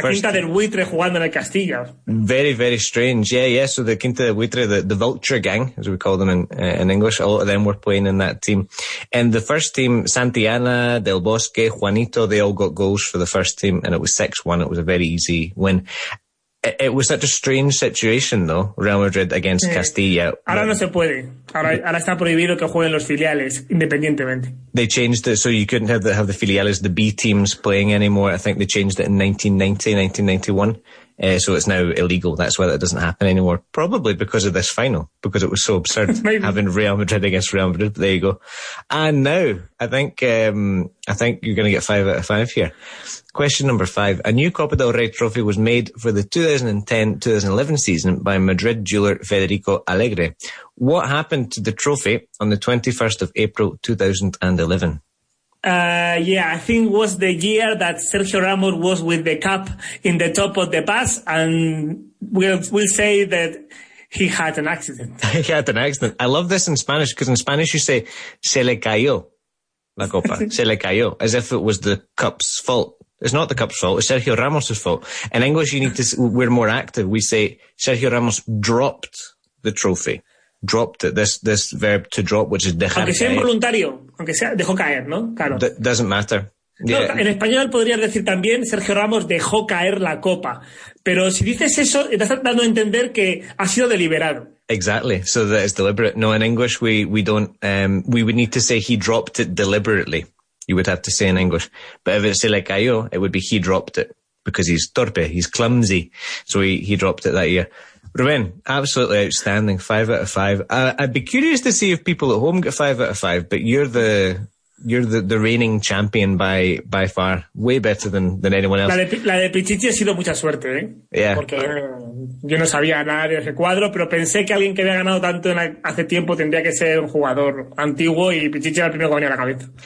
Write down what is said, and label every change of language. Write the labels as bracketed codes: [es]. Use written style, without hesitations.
[es] Con la Quinta del Buitre jugando en el Castilla. [en] Very, very strange. Yeah. So the Quinta del Buitre, the Vulture Gang, as we call them in English, a lot of them were playing in that team. And the first team, Santillana, Del Bosque, Juanito, they all got goals for the first team and it was 6-1. It was a very easy win. It was such a strange situation, though, Real Madrid against Castilla. [es] Ahora no se puede. Ahora está prohibido que jueguen los filiales, independientemente. [en] They changed it so you couldn't have the filiales, the B teams, playing anymore. I think they changed it in 1990, 1991. So it's now illegal. That's why that doesn't happen anymore. Probably because of this final, because it was so absurd having Real Madrid against Real Madrid. But there you go. And now, I think you're going to get 5 out of 5 here. Question number 5. A new Copa del Rey trophy was made for the 2010-2011 season by Madrid jeweler Federico Alegre. What happened to the trophy on the 21st of April 2011? I think it was the year that Sergio Ramos was with the cap in the top of the pass, and we'll say that he had an accident. He had an accident. I love this in Spanish, because in Spanish you say, [es] se le cayó la copa, se le cayó, [en] as if it was the cup's fault. It's not the cup's fault, it's Sergio Ramos's fault. In English, we're more active. We say, Sergio Ramos dropped the trophy. Dropped it. This verb to drop, which is [es] dejar caer. Aunque sea involuntario, aunque sea, dejó caer, ¿no? Claro. [en] Doesn't matter. Yeah. [es] No, en español podrías decir también, Sergio Ramos dejó caer la copa. Pero si dices eso, estás dando a entender que ha sido deliberado. [en] Exactly. So that it's deliberate. No, in English, we would need to say he dropped it deliberately. You would have to say in English. But if it's [es] se le cayó, [en] it would be he dropped it because he's torpe, he's clumsy. So he dropped it that year. Rubén, absolutely outstanding. 5 out of 5. I'd be curious to see if people at home get 5 out of 5, but you're the reigning champion by far. Way better than anyone else. [es] La de Pichichi ha sido mucha suerte, ¿eh? [en] Yeah. [es] Porque yo no sabía nada de ese cuadro, pero pensé que alguien que había ganado tanto hace tiempo tendría que ser un jugador antiguo y Pichichi era el primero que venía a la cabeza.